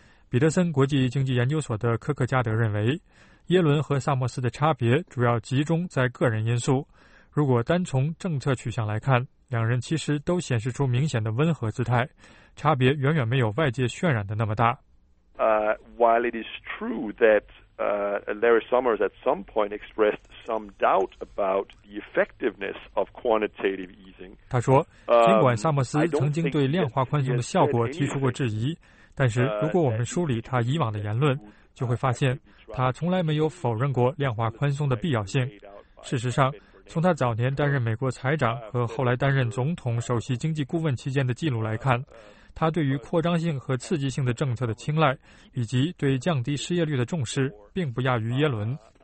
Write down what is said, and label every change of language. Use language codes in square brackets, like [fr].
[zh] 彼得森国际经济研究所的科克加德认为，耶伦和萨默斯的差别主要集中在个人因素，如果单从政策取向来看，两人其实都显示出明显的温和姿态，差别远远没有外界渲染的那么大。 [en] While it is true that Larry Summers at some point expressed some doubt about the effectiveness of quantitative easing, [zh] 他说，尽管萨默斯曾经对量化宽松的效果提出过质疑，但是如果我们梳理他以往的言论，就会发现他从来没有否认过量化宽松的必要性。事实上，从他早年担任美国财长和后来担任总统首席经济顾问期间的记录来看，他对于扩张性和刺激性的政策的青睐，以及对降低失业率的重视，并不亚于耶伦。